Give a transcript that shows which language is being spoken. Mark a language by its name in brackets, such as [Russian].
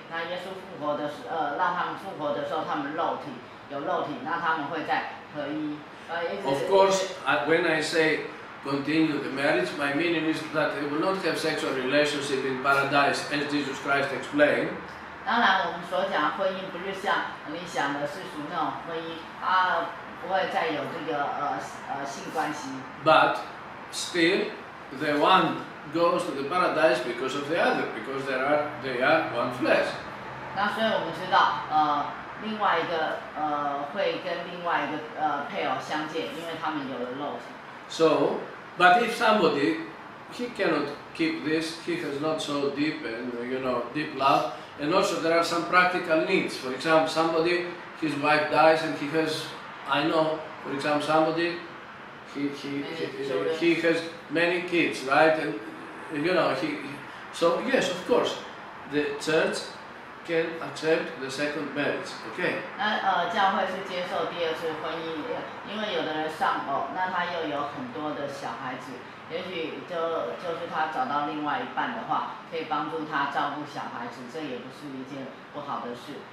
[Chinese] 那耶稣复活的时候，让他们复活的时候，他们肉体有肉体，那他们会在合一。 [English] Of course, when I say continue the marriage, my meaning is that they will not have sexual relationship in paradise, as Jesus Christ explained. [Chinese] 当然，我们所讲的婚姻不是像你想的世俗那种婚姻，它不会再有这个性关系。 [English] But still, the one goes to the paradise because of the other, because they are one flesh. [Chinese] 那所以我们知道，另外一个会跟另外一个配偶相见，因为他们有了肉体。 [English] So, but if somebody he cannot keep this, he has not so deep and you know deep love, and also there are some practical needs. For example, somebody his wife dies and he has, I know, for example, somebody he has many kids, right? And you know so yes, of course, the church can accept the second marriage. Okay. [Chinese] 那教会是接受第二次婚姻，因为有的人丧偶，那他又有很多的小孩子，也许就是他找到另外一半的话，可以帮助他照顾小孩子，这也不是一件不好的事。